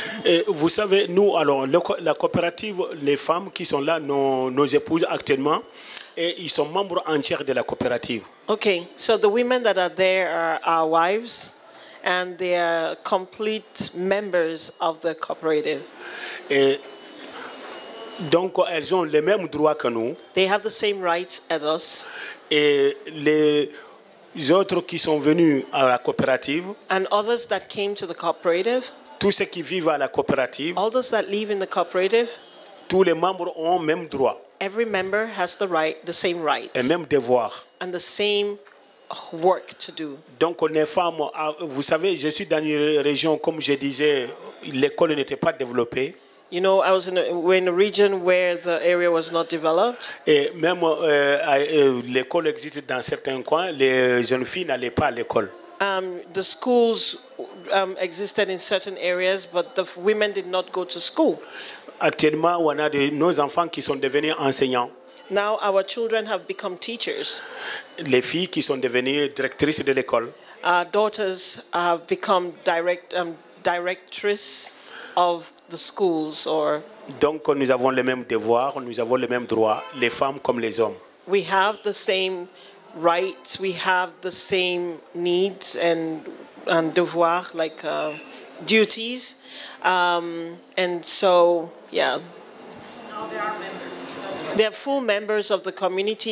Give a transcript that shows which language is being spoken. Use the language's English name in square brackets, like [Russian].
[French] Et vous savez, nous, alors, la coopérative, les femmes qui sont là, nos épouses actuellement, et ils sont membres entiers de la coopérative. [English] OK, so the women that are there are our wives, and they are complete members of the cooperative. [French] Et donc, elles ont les mêmes droits que nous. [English] They have the same rights as us. [French] Et les autres qui sont venus à la coopérative, [English] and others that came to the cooperative, [French] tous ceux qui vivent à la coopérative, [English] all those that live in the cooperative, [French] tous les membres ont même droit. [English] Every member has the right, the same rights, [French] et même devoir, [English] and the same work to do. [French] Donc les femmes, vous savez, je suis dans une région, comme je disais, l'école n'était pas développée. [English] You know, I was in a region where the area was not developed. [French] Et même l'école existe dans certains coins, les jeunes filles n'allaient pas à l'école. [English] The schools existed in certain areas, but the women did not go to school. [French] Actuellement, on a nos enfants qui sont devenus enseignants. [English] Now our children have become teachers. [French] Les filles qui sont devenues directrices de l'école. [English] Our daughters have become directrices of the schools, or [French] donc nous avons les mêmes devoirs, nous avons les mêmes droits, les femmes comme les hommes. [English] We have the same rights, we have the same needs and devoirs, like duties, and so yeah. Now they are members. They are full members of the community.